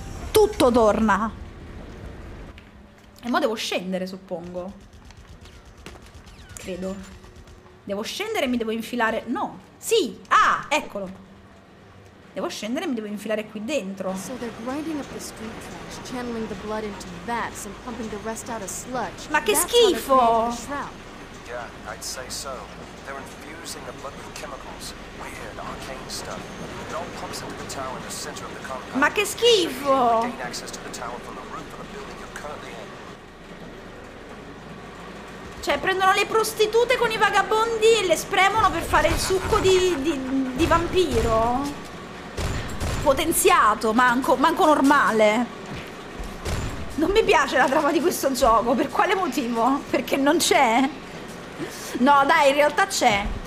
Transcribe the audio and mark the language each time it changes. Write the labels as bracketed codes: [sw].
[it] Tutto torna. E mo devo scendere, suppongo. Credo. Devo scendere e mi devo infilare. No! Sì! Ah! Eccolo! Devo scendere e mi devo infilare qui dentro. [en] So they're grinding up the street trash, channeling the blood into vats and pumping the rest out of sludge. [it] Ma che schifo! [en] Yeah, I'd say so. They're infusing the blood with chemicals. Weird, arcane stuff. It all pumps into the tower in the center of the compound. [it] Ma che schifo! [en] Gain access to the tower from the roof of the building you're currently in. [it] Cioè, prendono le prostitute con i vagabondi e le spremono per fare il succo di vampiro? Potenziato, manco normale. Non mi piace la trama di questo gioco. Per quale motivo? Perché non c'è? No, dai, in realtà c'è.